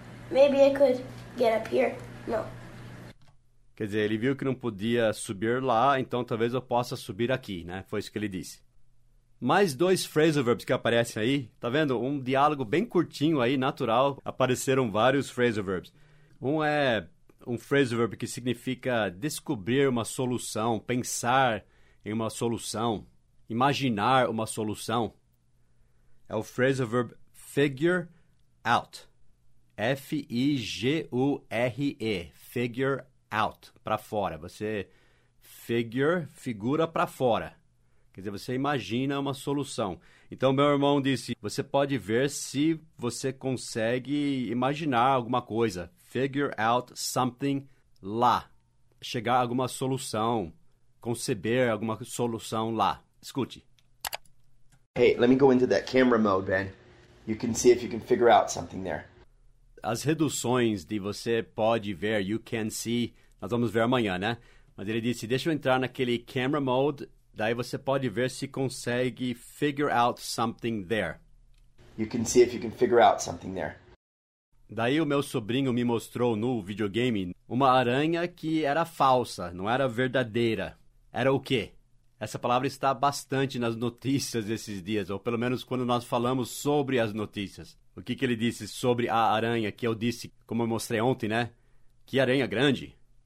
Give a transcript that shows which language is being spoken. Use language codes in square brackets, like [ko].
[en] Maybe I could get up here. No. [pt] Quer dizer, ele viu que não podia subir lá, então talvez eu possa subir aqui, né? Foi isso que ele disse. Mais dois phrasal verbs que aparecem aí. Tá vendo? Um diálogo bem curtinho aí, natural. Apareceram vários phrasal verbs. Um é um phrasal verb que significa descobrir uma solução, pensar em uma solução, imaginar uma solução. É o phrasal verb figure out. F-I-G-U-R-E. Figure out. Pra fora. Você figure, figura pra fora. Quer dizer, você imagina uma solução. Então, meu irmão disse, você pode ver se você consegue imaginar alguma coisa. Figure out something lá. Chegar a alguma solução. Conceber alguma solução lá. Escute. [en] Hey, let me go into that camera mode, Ben. You can see if you can figure out something there. [pt] As reduções de você pode ver, [en] you can see, [pt] nós vamos ver amanhã, né? Mas ele disse, deixa eu entrar naquele camera mode. Daí você pode ver se consegue [en] figure out something there. You can see if you can figure out something there. [pt] Daí o meu sobrinho me mostrou no videogame uma aranha que era falsa, não era verdadeira. Era o quê? Essa palavra está bastante nas notícias esses dias, ou pelo menos quando nós falamos sobre as notícias. O que, que ele disse sobre a aranha que eu disse, como eu mostrei ontem, né? Que aranha grande.